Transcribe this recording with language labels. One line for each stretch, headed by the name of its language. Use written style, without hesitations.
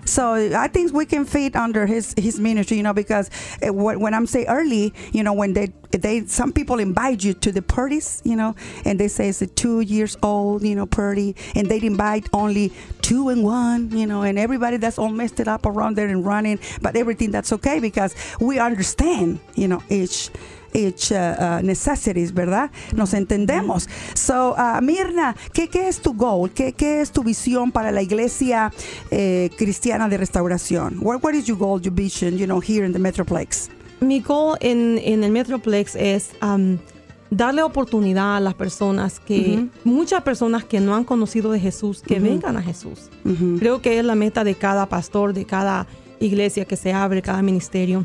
English: So I think we can fit under his ministry, you know, because when I'm say early, you know, when they some people invite you to the parties, you know, and they say it's a 2-year-old, you know, party, and they invite only 2 and 1, you know, and everybody that's all messed it up around there and running, but everything, that's okay, because we understand, you know, each necessities,
Spanish: ¿verdad? Nos entendemos. So, Mirna, ¿qué es tu goal? ¿Qué es tu visión para la iglesia cristiana de restauración?
English: What is your goal, your vision, you know, here in the Metroplex?
Spanish: Mi goal en el Metroplex es darle oportunidad a las personas que, muchas personas que no han conocido de Jesús, que vengan a Jesús. Uh-huh. Creo que es la meta de cada pastor, de cada iglesia que se abre, cada ministerio.